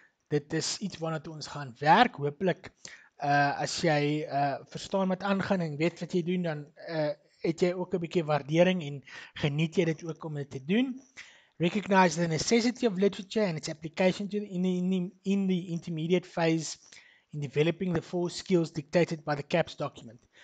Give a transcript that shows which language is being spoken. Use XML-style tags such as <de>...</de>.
<af>Dit is iets waarna ons gaan werk, hopelik. As jy verstaan wat aangaan en weet wat jy doen, dan het jy ook 'n bietjie waardering en geniet jy dit ook om dit te doen.</af> <en>Recognize the necessity of literature and its application to in the intermediate phase in developing the four skills dictated by the CAPS document.</en>